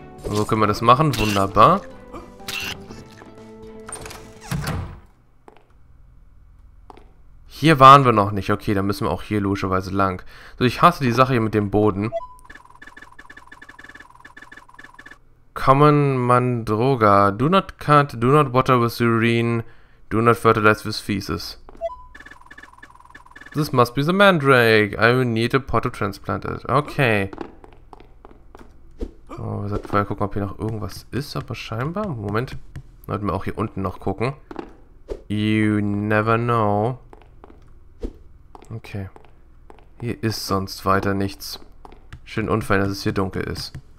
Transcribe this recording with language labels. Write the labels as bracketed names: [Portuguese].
[German] So können wir das machen, wunderbar. Hier waren wir noch nicht. Okay, dann müssen wir auch hier logischerweise lang. So, ich hasse die Sache hier mit dem Boden. [English] Common Mandroga. Do not cut, do not water with urine, do not fertilize with feces. This must be the mandrake. I will need a pot to transplant it. Okay. [German] Oh, wir sollten vorher gucken, ob hier noch irgendwas ist, aber scheinbar. Moment. Sollten wir auch hier unten noch gucken. [English] You never know. [German] Okay. Hier ist sonst weiter nichts. Schön unfein, dass es hier dunkel ist.